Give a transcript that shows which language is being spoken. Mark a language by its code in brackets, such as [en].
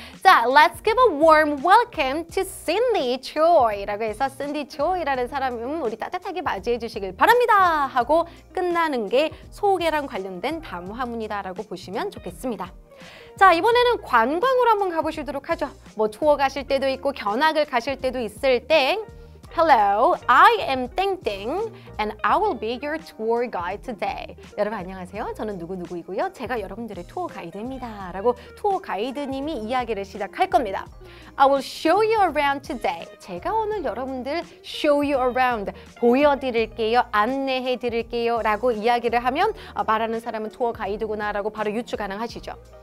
[ko] 자, [en] let's give a warm welcome to Cindy Choi [ko] 라고 해서 Cindy Choi라는 사람은 우리 따뜻하게 맞이해 주시길 바랍니다 하고 끝나는 게 소개랑 관련된 다음 화문이다라고 보시면 좋겠습니다. 자, 이번에는 관광으로 한번 가보시도록 하죠. 뭐 투어 가실 때도 있고 견학을 가실 때도 있을 때 [en] Hello, I am [ko] 땡땡 [en] and I will be your tour guide today. [ko] 여러분 안녕하세요. 저는 누구누구이고요. 제가 여러분들의 투어 가이드입니다. 라고 투어 가이드님이 이야기를 시작할 겁니다. [en] I will show you around today. [ko] 제가 오늘 여러분들 [en] show you around 보여드릴게요. [ko] 안내해드릴게요. 라고 이야기를 하면 말하는 사람은 투어 가이드구나 라고 바로 유추 가능하시죠.